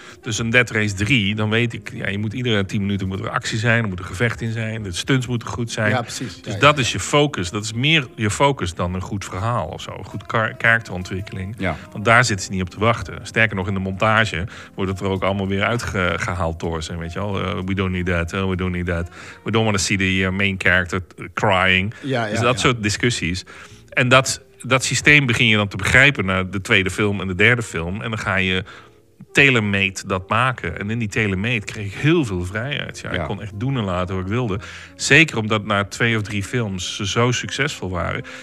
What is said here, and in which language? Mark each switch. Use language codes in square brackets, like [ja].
[nl] Dus een Dead Race 3, dan weet ik, ja, je moet iedere 10 minuten moet er actie zijn, er moet een gevecht in zijn, de stunts moeten goed zijn. Ja, precies. Dus ja, dat ja, is je focus. Dat is meer je focus dan een goed verhaal of zo. Een goed karakterontwikkeling. Ja. Want daar zitten ze niet op te wachten. Sterker nog, in de montage wordt het er ook allemaal weer uitgehaald door ze. Weet je al, [en] we don't need that, we don't need that. We don't want to see the main character crying. [nl] Ja, dus ja, dat soort discussies. En dat systeem begin je dan te begrijpen naar de tweede film en de derde film. En dan ga je telemeet dat maken. En in die telemeet kreeg ik heel veel vrijheid. Ja, ik kon echt doen en laten wat ik wilde. Zeker omdat na 2 of 3 films ze zo succesvol waren.